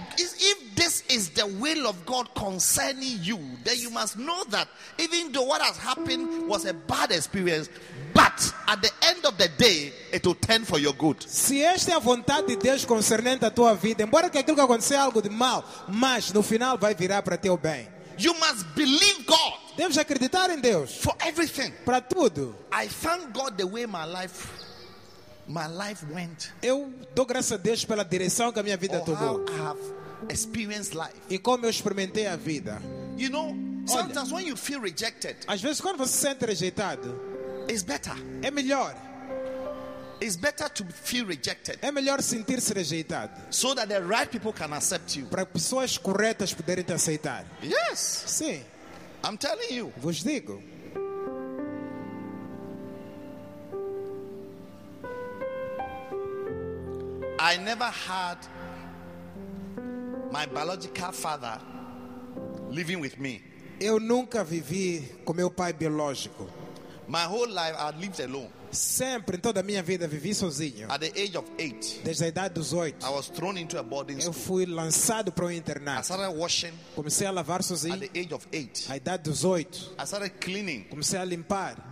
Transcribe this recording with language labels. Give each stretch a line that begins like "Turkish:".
English: If this is the will of God concerning you, then you must know that even though what has happened was a bad experience, but at the end of the day, it will turn for your good.
Portuguese: Se esta é a vontade de Deus concernente a tua vida, embora que aquilo que aconteça algo de mal, mas no final vai virar para teu bem.
English: You must believe God.
Portuguese: Deves acreditar em Deus.
English: For everything.
Portuguese: Para tudo.
English: I thank God the way my life went.
Portuguese: Eu dou graças a Deus pela direção que a minha vida tomou.
English: How I have experienced life.
Portuguese: E como eu experimentei a vida.
English: You know, sometimes
Portuguese: olha,
English: when you feel rejected.
Portuguese: Às vezes quando você se sente rejeitado,
English: it's better.
Portuguese: É melhor.
English: It's better to feel rejected.
Portuguese: É melhor sentir-se rejeitado.
English: So that the right people can accept you.
Portuguese: Para pessoas corretas poderem te aceitar.
English: Yes.
Portuguese: Sim.
English: I'm telling you.
Portuguese: Vos digo.
English: I never had my biological father living with me.
Portuguese: Eu nunca vivi com meu pai biológico.
English: My whole life I lived alone.
Portuguese: Sempre, em toda a minha vida, vivi sozinho.
English: At the age of 8,
Portuguese: desde a idade dos 8,
English: I was thrown into a boarding school.
Portuguese: Eu fui lançado para um internato.
English: I started washing.
Portuguese: Comecei a lavar sozinho.
English: At the age of 8,
Portuguese: à idade dos 8,
English: I started cleaning.
Portuguese: Comecei a limpar.